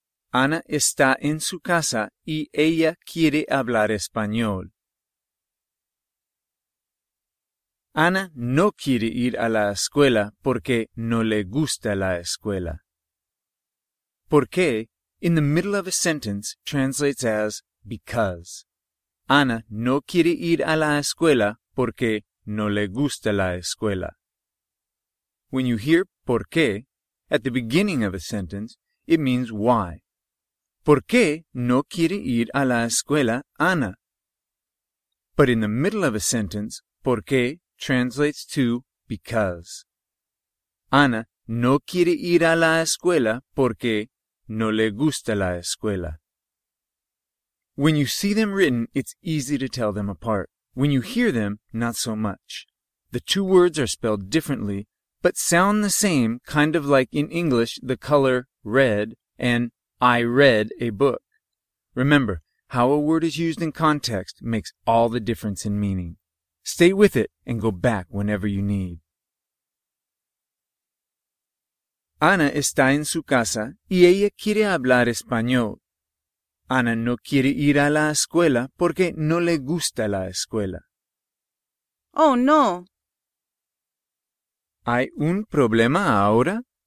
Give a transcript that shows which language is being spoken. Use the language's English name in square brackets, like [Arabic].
[Spanish] Anna está en su casa y ella quiere hablar español. Anna no quiere ir a la escuela porque no le gusta la escuela. ¿Por qué? [English] In the middle of a sentence translates as because. [Spanish] Anna no quiere ir a la escuela porque no le gusta la escuela. [English] When you hear por qué at the beginning of a sentence, it means why. [Spanish] ¿Por qué no quiere ir a la escuela, Anna? [English] But in the middle of a sentence, por qué translates to because. [Spanish] Anna no quiere ir a la escuela porque no le gusta la escuela. [English] When you see them written, it's easy to tell them apart. When you hear them, not so much. The two words are spelled differently, but sound the same, kind of like in English, the color red and I read a book. Remember, How a word is used in context makes all the difference in meaning. Stay with it and go back whenever you need. [Spanish] Ana está en su casa y ella quiere hablar español. Ana no quiere ir a la escuela porque no le gusta la escuela. Oh, no. ¿Hay un problema ahora?